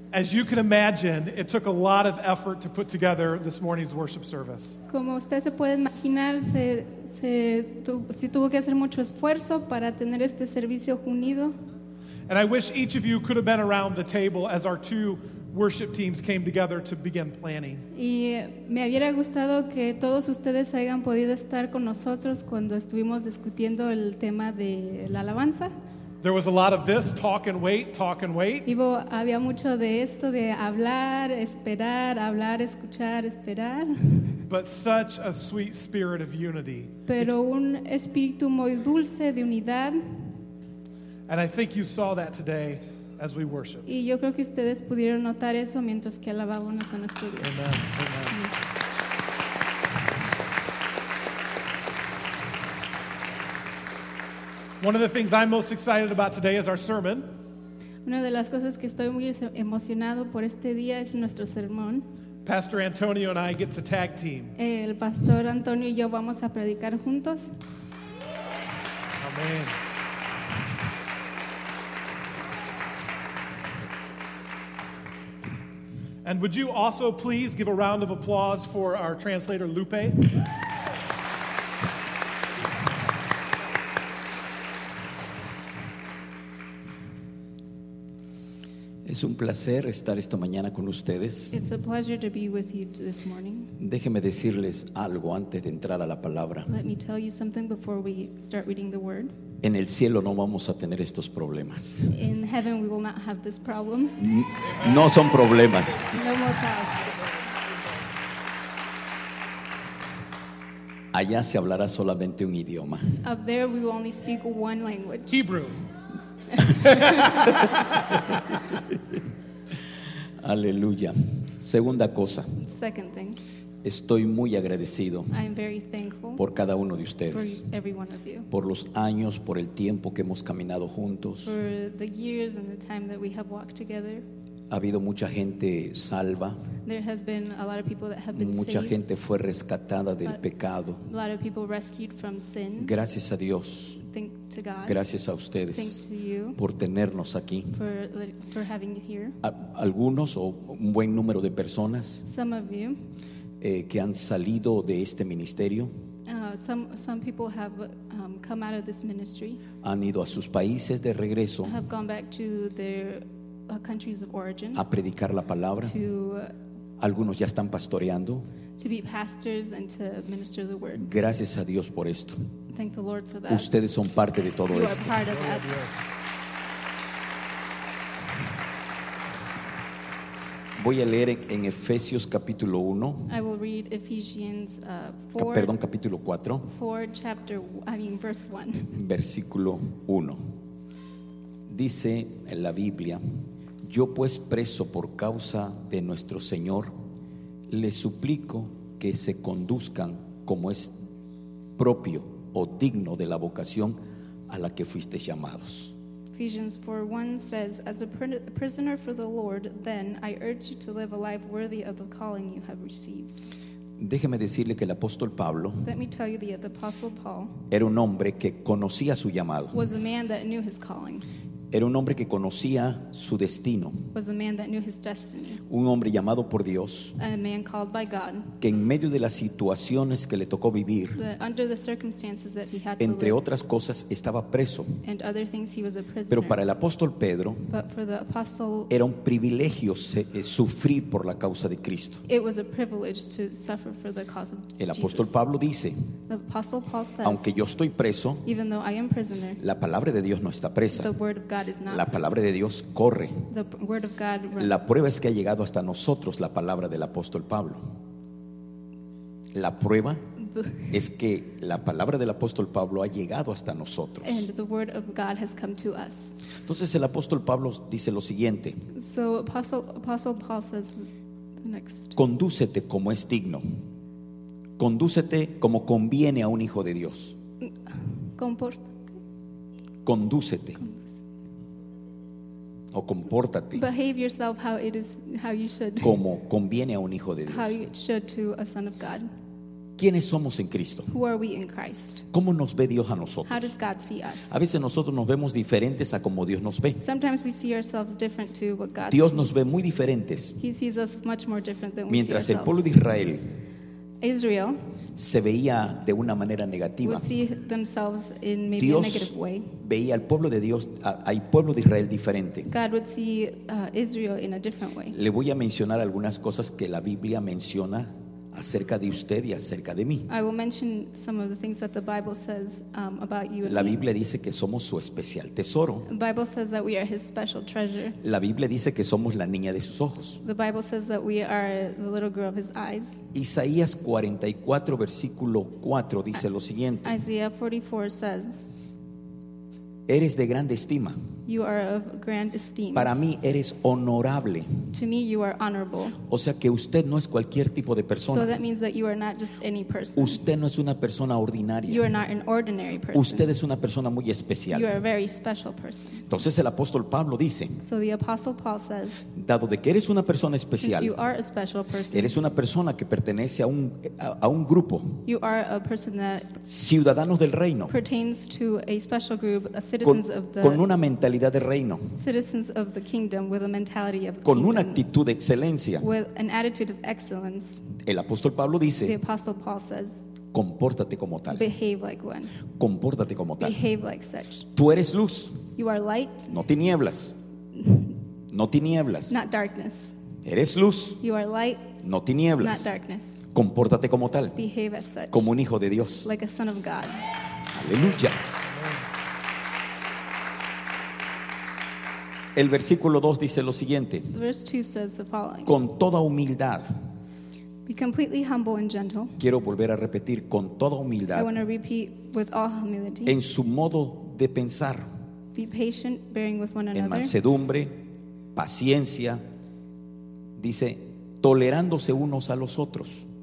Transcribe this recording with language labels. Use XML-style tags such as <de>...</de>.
<en>As you can imagine, it took a lot of effort to put together this morning's worship service.</en> <es>Como usted se puede imaginar, se tuvo que hacer mucho esfuerzo para tener este servicio unido.</es> <en>And I wish each of you could have been around the table as our two worship teams came together to begin planning.</en> <es>Y me hubiera gustado que todos ustedes hayan podido estar con nosotros cuando estuvimos discutiendo el tema de la alabanza.</es> <en>There was a lot of this, talk and wait.</en> <es>Y había mucho de esto, de hablar, escuchar, esperar.</es> <en>But such a sweet spirit of unity.</en> <es>Pero un espíritu muy dulce de unidad.</es> <en>And I think you saw that today as we worshiped.</en> <es>Y yo creo que ustedes pudieron notar eso mientras que alabábamos a nuestro Dios.</es> <en>Amen. One of the things I'm most excited about today is our sermon.</en> <es>Una de las cosas que estoy muy emocionado por este día es nuestro sermón.</es> <en>Pastor Antonio and I get to tag team.</en> <es>El pastor Antonio y yo vamos a predicar juntos.</es> <en>Amen. And would you also please give a round of applause for our translator Lupe?</en> <es>Es un placer estar esta mañana con ustedes.</es> <en>It's a pleasure to be with you this morning.</en> <es>Déjeme decirles algo antes de entrar a la palabra.</es> <en>Let me tell you something before we start reading the word.</en> <es>En el cielo no vamos a tener estos problemas.</es> <en>In heaven we will not have this problem.</en> <es>No son problemas.</es> <en>No more problems.</en> <es>Allá se hablará solamente un idioma.</es> <en>Up there we will only speak one language. Hebrew.</en> <es>Aleluya. Segunda cosa.</es> <en>Second thing.</en> <es>Estoy muy agradecido.</es> <en>I'm very thankful</en> <es>por cada uno de ustedes.</es> <en>For every one of you.</en> <es>Por los años, por el tiempo que hemos caminado juntos.</es> <en>For the years and the time that we have walked together.</en> <es>Ha habido mucha gente salva.</es> <en>There has been a lot of people that have been saved.</en> <es>Mucha gente fue rescatada del pecado.</es> <en>A lot of people rescued from sin.</en> <es>Gracias a Dios.</es> <en>Thank to God.</en> <es>Gracias a ustedes.</es> <en>Thank to you</en> <es>por tenernos aquí.</es> <en>For having you here.</en> <es>Algunos o un buen número de personas.</es> <en>Some of you.</en> <es>Que han salido de este ministerio.</es> <en>Some people have come out of this ministry.</en> <es>Han ido a sus países de regreso.</es> <en>Have gone back to their countries of origin.</en> <es>A predicar la palabra.</es> <en>To,</en> <es>algunos ya están pastoreando.</es> <en>To be pastors and to minister the word.</en> <es>Gracias a Dios por esto.</es> <en>Thank the Lord for that.</en> <es>Ustedes son parte de todo</es> <en>you</en> <es>esto.</es> <en>Are part of that.</en> <es>Voy a leer en Efesios capítulo 1.</es> <en>I will read Ephesians 4.</en> <es>Perdón, capítulo 4.</es> <en>4 chapter, I mean verse 1.</en> <es>Versículo 1. Dice en la Biblia, yo pues preso por causa de nuestro Señor, les suplico que se conduzcan como es propio o digno de la vocación a la que fuisteis llamados.</es> <en>Ephesians 4:1 says, as a prisoner for the Lord, then I urge you to live a life worthy of the calling you have received.</en> <es>Déjeme decirle que el apóstol Pablo,</es> <en>let me tell you that the apostle Paul,</en> <es>era un hombre que conocía su llamado.</es> <en>Was a man that knew his calling.</en> <es>Era un hombre que conocía su destino.</es> <en>Was a man that knew his destiny.</en> <es>Un hombre llamado por Dios.</es> <en>A man called by God.</en> <es>Que en medio de las situaciones que le tocó vivir,</es> <en>under the circumstances that he had to</en> <es>entre</es> <en>live,</en> <es>otras cosas, estaba preso.</es> <en>And other things he was a prisoner.</en> <es>Pero para el apóstol Pedro,</es> <en>but for the apostle,</en> <es>era un privilegio sufrir por la causa de Cristo.</es> <en>It was a privilege to suffer for the cause of</en> <es>el apóstol Pablo dice,</es> <en>the apostle Paul says,</en> <es>aunque yo estoy preso,</es> <en>even though I am prisoner,</en> <es>la palabra de Dios no está presa.</es> <en>The word of God is not</en> <es>la palabra de Dios corre.</es> <en>The word of God</en> <es>la prueba es que ha llegado hasta nosotros la palabra del apóstol Pablo. La prueba es que la palabra del apóstol Pablo ha llegado hasta nosotros.</es> <en>And the word of God has come to us.</en> <es>Entonces el apóstol Pablo dice lo siguiente.</es> <en>So apostle Paul says the next.</en> <es>Condúcete como es digno. Condúcete como conviene a un hijo de Dios. Compórtate. Condúcete. O compórtate.</es> <en>Behave yourself how it is, how you should.</en> <es>Como conviene a un hijo de Dios.</es> <en>How you should to a son of God.</en> <es>¿Quiénes somos en Cristo?</es> <en>Who are we in Christ?</en> <es>¿Cómo nos ve Dios a nosotros?</es> <en>How does God see us?</en> <es>A veces nosotros nos vemos diferentes a como Dios nos ve.</es> <en>Sometimes we see ourselves different to what God</en> <es>Dios</es> <en>sees.</en> <es>Nos ve muy diferentes.</es> <en>He sees us much more different than we</en> <es>Mientras</es> <en>see</en> <es>el pueblo de Israel,</es> <en>Israel</en> <es>se veía de una manera negativa,</es> <en>would see themselves in maybe</en> <es>Dios</es> <en>a negative way.</en> <es>Veía al pueblo de Dios, al pueblo de Israel diferente.</es> <en>God would see, Israel in a different way.</en> <es>Le voy a mencionar algunas cosas que la Biblia menciona acerca de usted y acerca de mí.</es> <en>I will mention some of the things that the Bible says about you.</en> <es>La Biblia dice que somos su especial tesoro.</es> <en>The Bible says that we are his special treasure.</en> <es>La Biblia dice que somos la niña de sus ojos.</es> <en>The Bible says that we are the little girl of his eyes.</en> <es>Isaías 44 versículo 4 dice lo siguiente.</es> <en>Isaiah 44 says,</en> <es>eres de grande estima.</es> <en>You are of grand esteem.</en> <es>Para mí eres honorable.</es> <en>To me you are honorable.</en> <es>O sea que usted no es cualquier tipo de persona.</es> <en>So that means that you are not just any person.</en> <es>Usted no es una persona ordinaria.</es> <en>You are not an ordinary person.</en> <es>Usted es una persona muy especial.</es> <en>You are a very special person.</en> <es>Entonces el apóstol Pablo dice,</es> <en>so the apostle Paul says,</en> <es>dado de que eres una persona especial,</es> <en>since you are a special person,</en> <es>eres una persona que pertenece a un grupo,</es> <en>you are a person that</en> <es>ciudadanos del reino,</es> <en>pertains to a special group, a citizens</en> <es>con,</es> <en>of the,</en> <es>con una mentalidad de reino,</es> <en>citizens of the kingdom, with a mentality of the</en> <es>con</es> <en>kingdom,</en> <es>una actitud de excelencia,</es> <en>with an attitude of excellence.</en> <es>El apóstol Pablo dice,</es> <en>the apostle Paul says,</en> <es>compórtate como tal,</es> <en>behave like one,</en> <es>compórtate como tal,</es> <en>behave like such.</en> <es>Tú eres luz,</es> <en>you are light,</en> <es>no tinieblas, no tinieblas,</es> <en>not darkness.</en> <es>Eres luz,</es> <en>you are light,</en> <es>no tinieblas,</es> <en>not darkness.</en> <es>Compórtate como tal,</es> <en>behave as such,</en> <es>como un hijo de Dios,</es> <en>like a son of God.</en> <es>Aleluya. El versículo 2 dice lo siguiente.</es> <en>Verse 2 says the following.</en> <es>Con toda humildad.</es> <en>Be completely humble and gentle.</en> <es>Quiero volver a repetir, con toda humildad.</es> <en>I want to repeat with all humility.</en> <es>En su modo de pensar.</es> <en>Be patient, bearing with one another.</en> <es>En mansedumbre, paciencia. Dice, tolerándose unos a los otros.</es>